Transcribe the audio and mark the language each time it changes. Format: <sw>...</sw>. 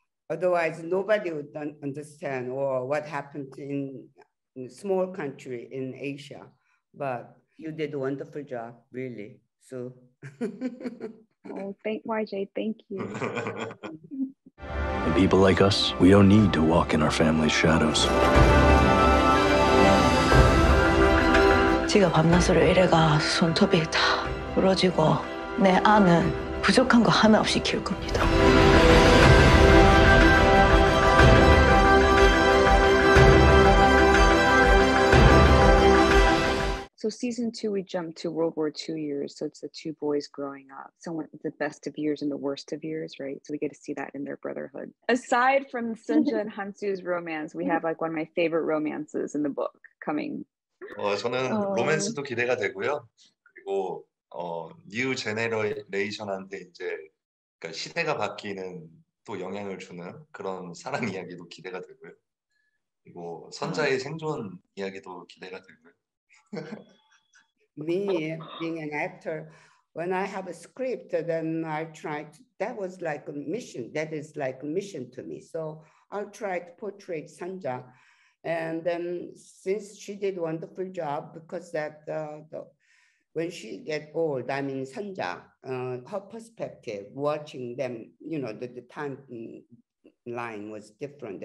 <en>otherwise nobody would understand or what happened in a small country in Asia. But you did a wonderful job, really. So thank YJ, thank you. And people like us, we don't need to walk in our family's shadows.</en> <ko>제가 밤낮으로 일해가 손톱이 다 부러지고 내 안은 부족한 거 하나 없이 키울 겁니다.</ko> <en>2, we jumped to World War II years. So it's the two boys growing up. So the best of years and the worst of years, right? So we get to see that in their brotherhood. Aside from Sunja and Hansu's romance, we have like one of my favorite romances in the book coming.</en> <ko>저는 로맨스도 기대가 되고요. 그리고</ko> <en>new generation</en> <ko>한테 이제 그러니까 시대가 바뀌는 또 영향을 주는 그런 사랑 이야기도 기대가 되고요. 그리고 선자의 생존 이야기도 기대가 되고요.</ko> <en>Me being an actor, when I have a script, then I try to, that was like a mission, that is like a mission to me. So I'll try to portray Sunja. And then since she did a wonderful job, because that when she get old, I mean Sunja, her perspective, watching them, you know, the timeline was different.</en>